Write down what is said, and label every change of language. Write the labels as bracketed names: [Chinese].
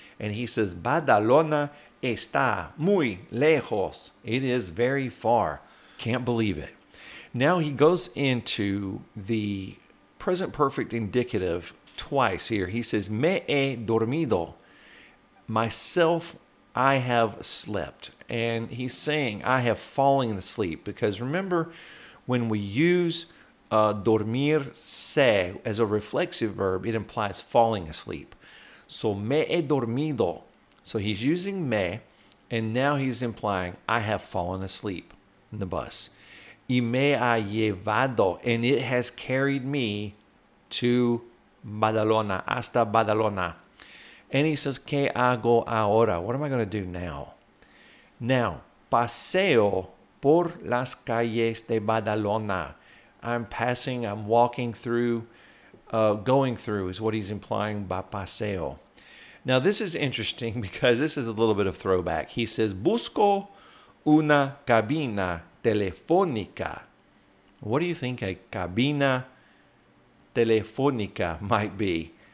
[Spanish] And he says, Badalona está muy lejos. [English] It is very far. Can't believe it. Now he goes into the present perfect indicative twice here. He says, [Spanish] me he dormido. [English] Myself, I have slept. And he's saying, I have fallen asleep. Because remember, when we use dormirse as a reflexive verb, it implies falling asleep. [Spanish] So, me he dormido. [English] So, he's using me, and now he's implying, I have fallen asleep in the bus. [Spanish] Y me ha llevado, [English] and it has carried me to Badalona, [Spanish] hasta Badalona. [English] And he says, [Spanish] ¿qué hago ahora? [English] What am I going to do now? [Spanish] Now, paseo por las calles de Badalona. [English] I'm passing, I'm walking through, going through is what he's implying by paseo. Now, this is interesting because this is a little bit of throwback. [Spanish] He says, busco una cabina telefónica. [English] What do you think a cabina telefónica might be?